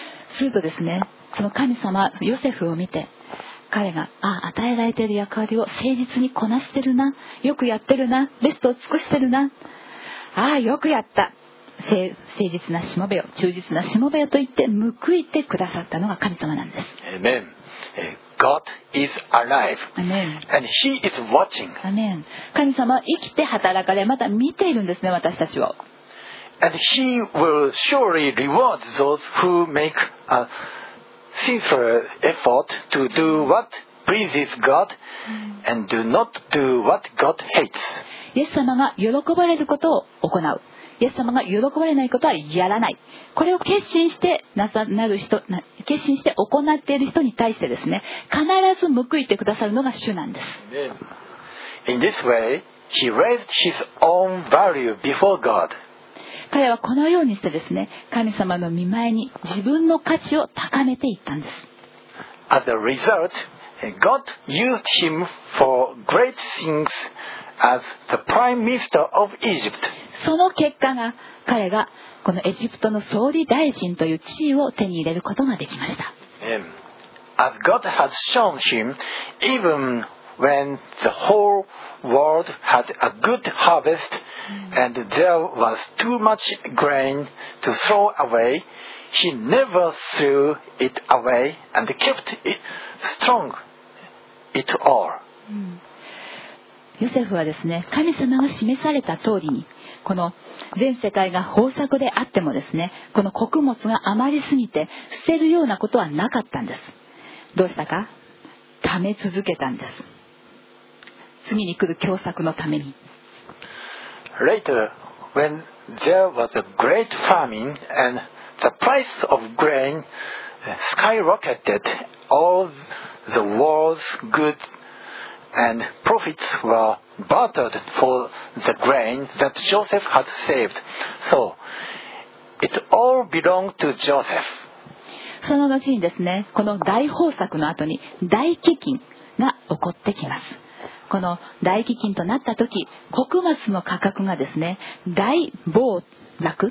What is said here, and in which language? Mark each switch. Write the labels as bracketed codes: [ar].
[ja] するとですね、その神様ヨセフを見て、彼が与えられている役割を誠実にこなしてるな、よくやってるな、ベストを尽くしてるな、ああよくやった、 誠実なしもべよ、忠実なしもべよと言って報いてくださったのが神様なんです。 [en] Amen. God is alive. Amen. And he is watching. Amen. [ja] 神様は生きて働かれ、また見ているんですね、私たちを。 [en] And he will surely reward those who make a sincere effort to do what pleases God and do not do what God hates. [ja] イエス様が喜ばれることを行う、イエス様が喜ばれないことはやらない、これを決心してなさなる人、決心して行っている人に対してですね、必ず報いてくださるのが主なんです。 [en] In this way, he raised his own value before God. [ja] 彼はこのようにしてですね、神様の御前に自分の価値を高めていったんです。 [en] As a result, God used him for great thingsAs the Prime Minister of Egypt. [ja] その結果が、彼がこのエジプトの総理大臣という地位を手に入れることができました。 [en] As God has shown him, even when the whole world had a good harvest and there was too much grain to throw away, he never threw it away and kept it strong, it all. [ja] ヨセフはですね、神様が示された通りに、この全世界が豊作であってもですね、この穀物が余りすぎて捨てるようなことはなかったんです。どうしたか？貯め続けたんです。次に来る凶作のために。 [en] Later, when there was a great famine and the price of grain skyrocketed, all the world's goods. And profits were bartered for the grain that Joseph had saved. So, it all belonged to Joseph. [ja] その後にですね、この大豊作の後に大飢饉が起こってきます。この大飢饉となった時、穀物の価格がですね、大暴落。